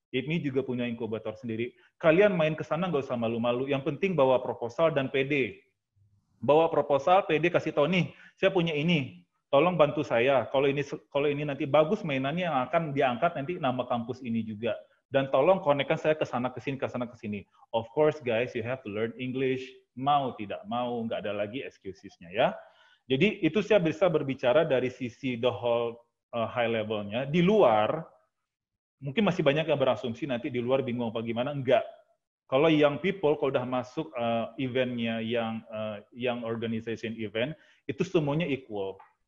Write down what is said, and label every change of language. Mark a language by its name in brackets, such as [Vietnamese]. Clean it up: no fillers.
[Indonesian] IPMI juga punya inkubator sendiri. Kalian main ke sana nggak usah malu-malu. Yang penting bawa proposal dan PD. Bawa proposal, PD kasih tahu nih, saya punya ini. Tolong bantu saya. Kalau ini nanti bagus mainannya yang akan diangkat nanti nama kampus ini juga. Dan tolong konekkan saya ke sana ke sini, ke sana ke sini. [English] Of course guys, you have to learn English. [Indonesian] Mau tidak mau, nggak ada lagi excuses-nya ya. Jadi itu saya bisa berbicara dari sisi [English] the whole high level- [Indonesian] nya. Di luar, mungkin masih banyak yang berasumsi nanti di luar bingung apa gimana, enggak. Kalau [English] young people, [Indonesian] kalau udah masuk event-nya yang [English] young organization event, [Indonesian] itu semuanya equal.